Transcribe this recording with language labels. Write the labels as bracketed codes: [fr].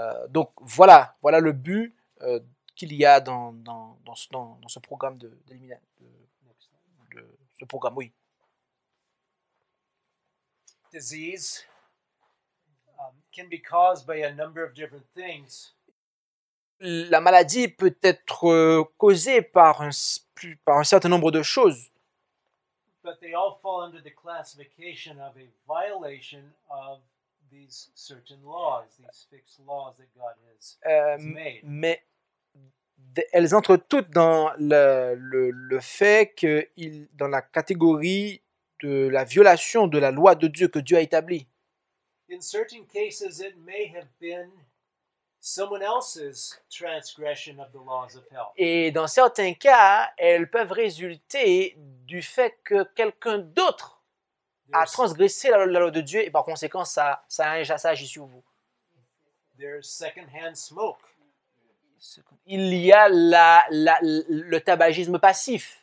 [fr] Donc, voilà le but qu'il y a dans ce programme d'élimination. De ce programme, oui. [en] Disease can be caused by a number of different things. [fr] La maladie peut être causée par un certain nombre de choses. [en] But they all fall under the classification of a violation of these certain laws, these fixed laws that God has made. [fr] Mais elles entrent toutes dans le fait que dans la catégorie de la violation de la loi de Dieu que Dieu a établie. [en] In certain cases, it may have been someone else's transgression of the laws of hell. [fr] Et dans certains cas, elles peuvent résulter du fait que quelqu'un d'autre a transgressé la loi de Dieu et par conséquent, ça agit sur vous. [en] There's secondhand smoke. [fr] Il y a le tabagisme passif.